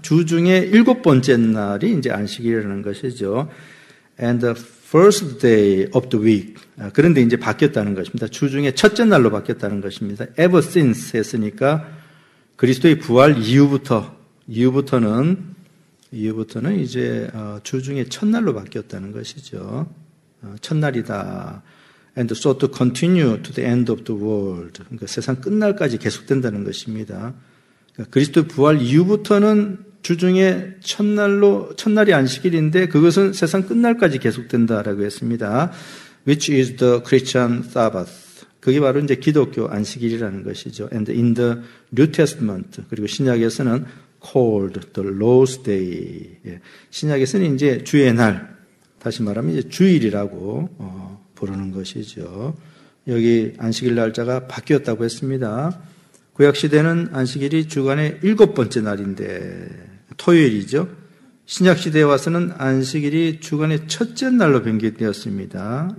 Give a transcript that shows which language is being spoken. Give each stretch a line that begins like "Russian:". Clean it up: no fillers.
Korean: 주 중에 일곱 번째 날이 이제 안식일이라는 것이죠.
English: And the first day of the week.
Korean: 그런데 이제 바뀌었다는 것입니다. 주 중에 첫째 날로 바뀌었다는 것입니다.
English: Ever since
Korean: 했으니까 그리스도의 부활 이후부터는 이제 주 중에 첫날로 바뀌었다는 것이죠. 첫날이다.
English: And so to continue to the end of the world.
Korean: 그러니까 세상 끝날까지 계속된다는 것입니다. 그러니까 그리스도 부활 이후부터는 주중에 첫날로, 첫날이 안식일인데 그것은 세상 끝날까지 계속된다라고 했습니다.
English: Which is the Christian Sabbath.
Korean: 그게 바로 이제 기독교 안식일이라는 것이죠.
English: And in the New Testament.
Korean: 그리고 신약에서는
English: called the Lord's Day.
Korean: 신약에서는 이제 주의 날. 다시 말하면 이제 주일이라고, 그러는 것이죠. 여기 안식일 날짜가 바뀌었다고 했습니다. 구약시대는 안식일이 주간의 일곱 번째 날인데 토요일이죠. 신약시대에 와서는 안식일이 주간의 첫째 날로 변경되었습니다.